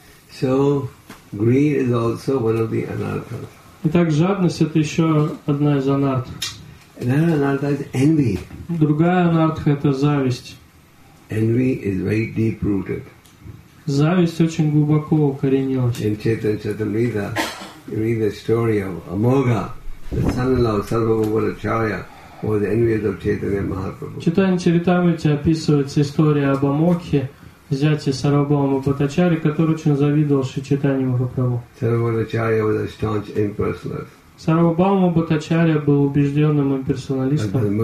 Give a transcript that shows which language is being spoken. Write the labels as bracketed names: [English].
[English] So greed is also one of the anarthas. [Russian] Итак, жадность — это еще одна из анарт. [English] Another anartha is envy. [Russian] Другая анартха — это зависть. [English] Envy is very deep-rooted. [Russian] Зависть очень глубоко укоренилась. [English] In Chaitanya Charitamrita, you read the story of Amogha, the son-in-law of Sarvabhauma Acharya, who was envious of Chaitanya Mahaprabhu. [Russian] В Chaitanya Charitamrita описывается история об Амогхе, зятя Сарвабхаума Бхаттачарьи, который очень завидовал Шри Чайтанья Махапрабху. Сарвабхаума Бхаттачарьи был убежденным имперсоналистом.